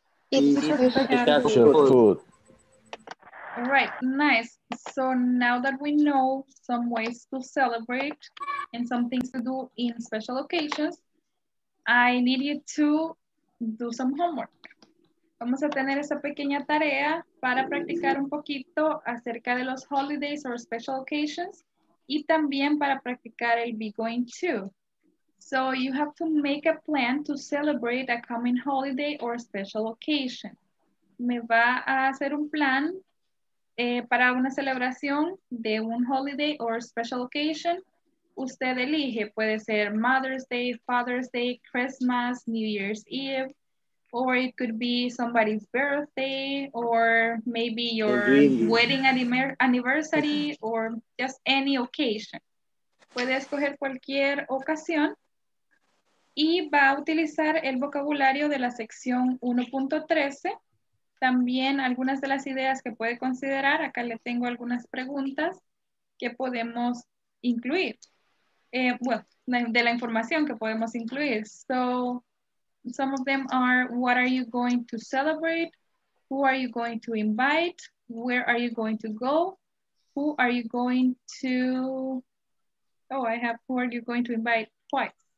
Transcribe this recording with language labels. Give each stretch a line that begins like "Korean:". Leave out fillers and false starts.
English: Eat special food. All right, nice. So now that we know some ways to celebrate and some things to do in special occasions, I need you to do some homework.
Spanish: Vamos a tener esa pequeña tarea para practicar un poquito acerca de los
English: holidays or special occasions
Spanish: y también para practicar el be going to.
English: So you have to make a plan to celebrate a coming holiday or special occasion.
Spanish: Me va a hacer un plan para una celebración de un
English: holiday or special occasion.
Spanish: Usted elige, puede ser
English: Mother's Day, Father's Day, Christmas, New Year's Eve, or it could be somebody's birthday, or maybe your wedding anniversary, or just any occasion.
Spanish: Puede escoger cualquier ocasión y va a utilizar el vocabulario de la sección 1.13. También algunas de las ideas que puede considerar, acá le tengo algunas preguntas que podemos incluir. De la información que podemos incluir.
English: So, some of them are, what are you going to celebrate? Who are you going to invite? Where are you going to go? Who are you going to invite twice.